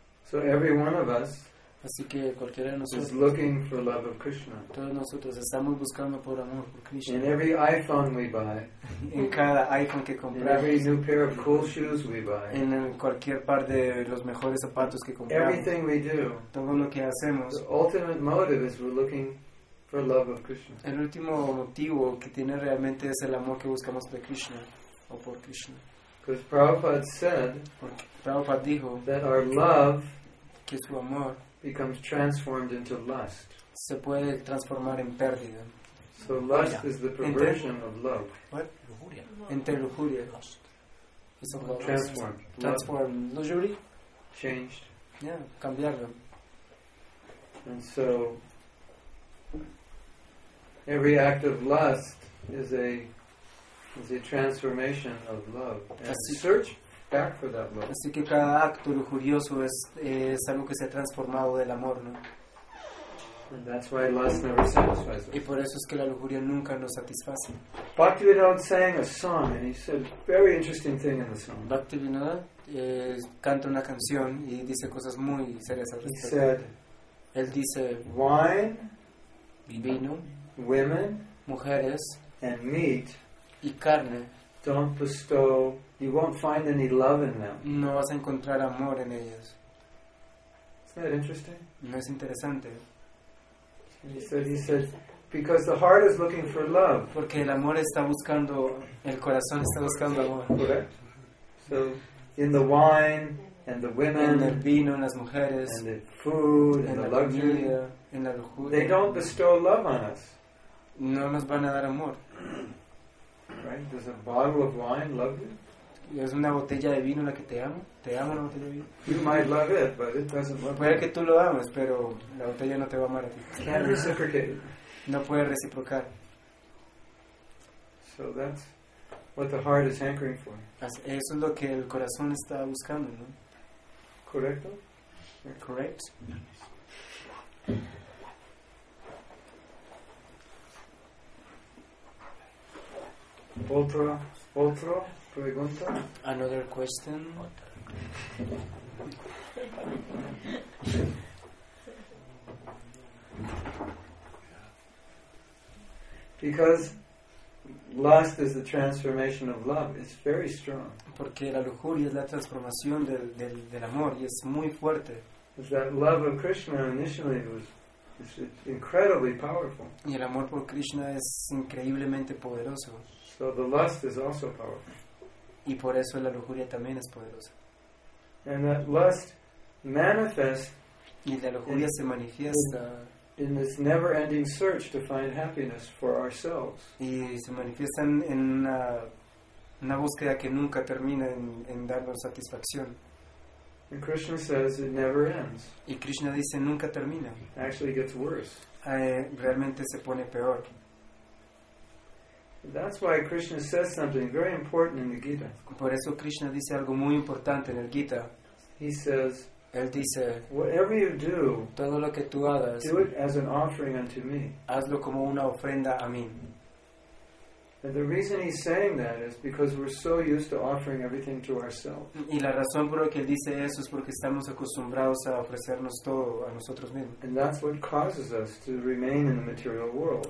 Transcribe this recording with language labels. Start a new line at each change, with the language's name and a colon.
English: So every one of us.
Spanish: Así que cualquiera de nosotros,
English: is looking for love of Krishna.
Spanish: Todos nosotros estamos buscando por amor por Krishna.
English: In every iPhone we buy,
Spanish: en cada iPhone que compramos,
English: in every new pair of cool shoes we buy,
Spanish: en cualquier par de los mejores zapatos que compramos,
English: everything we do,
Spanish: todo lo que hacemos,
English: the ultimate motive is we're looking for love of Krishna.
Spanish: El último motivo que tiene realmente es el amor que buscamos de Krishna o por Krishna.
English: Because Prabhupada said,
Spanish: porque Prabhupada dijo,
English: that our love,
Spanish: que su amor,
English: becomes transformed into lust.
Spanish: Se puede transformar en pérdida.
English: So lust is the perversion of love.
Spanish: What? Lujuria. Entre lujuria.
English: Lust. It's a lust. Transformed.
Spanish: Transformed. Lujuria.
English: Changed.
Spanish: Yeah. Cambiarlo.
English: And so every act of lust is a transformation of love. And search back for that love.
Spanish: Así que cada acto lujurioso es algo que se ha transformado del amor, ¿no?
English: And that's why lust never satisfies us.
Spanish: Y por eso es que la lujuria nunca nos satisface.
English: Bhaktivinoda sang a song and he said very interesting thing in the song.
Spanish: Bhaktivinoda canta una canción y dice cosas muy serias al respecto.
English: He said,
Spanish: él dice,
English: wine,
Spanish: vino,
English: women,
Spanish: mujeres,
English: and meat,
Spanish: y carne,
English: don't bestow. You won't find any love in them.
Spanish: No vas a encontrar amor en ellos.
English: Isn't that interesting?
Spanish: No es interesante.
English: He said, because the heart is looking for love.
Spanish: Porque el amor está buscando, el corazón está buscando amor.
English: Correct. So in the wine and the women,
Spanish: en el vino, en las mujeres,
English: and the food and the luxury,
Spanish: comida, en la lujuria,
English: they don't bestow love on us.
Spanish: No nos van a dar amor.
English: Right? Does a bottle of wine love you?
Spanish: Es una botella de vino la que te amo. Te amo la botella de vino.
English: You might love it, but it doesn't love you.
Spanish: Puede que tú lo ames, pero la botella no te va a amar a ti.
English: Can't reciprocate.
Spanish: No puede reciprocar.
English: So that's what the heart is hankering for.
Spanish: Eso es lo que el corazón está buscando, ¿no? Correcto.
English: Correct.
Spanish: Otro. Pregunta.
English: Another question. Because lust is the transformation of love. It's very strong.
Spanish: Porque la lujuria es la transformación del amor y es muy fuerte.
English: Is that love of Krishna initially was incredibly powerful.
Spanish: Y el amor por Krishna es increíblemente poderoso.
English: So the lust is also powerful.
Spanish: Y por eso la lujuria también es poderosa.
English: And that lust manifests,
Spanish: y la lujuria se manifiesta
English: in this never-ending search to find happiness for ourselves.
Spanish: Y se manifiesta en una búsqueda que nunca termina en darnos satisfacción.
English: And Krishna says it never ends.
Spanish: Y Krishna dice nunca termina.
English: Actually gets worse.
Spanish: Realmente se pone peor.
English: That's why Krishna says something very important in the Gita.
Spanish: Por eso Krishna dice algo muy importante en el Gita.
English: He says,
Spanish: él dice,
English: whatever you do,
Spanish: todo lo que tú hagas,
English: do it as an offering unto me.
Spanish: Hazlo como una ofrenda a mí.
English: And the reason he's saying that is because we're so used to offering everything to ourselves.
Spanish: Y la razón por la que él dice eso es porque estamos acostumbrados a ofrecernos todo a nosotros mismos.
English: And that's what causes us to remain in the material world.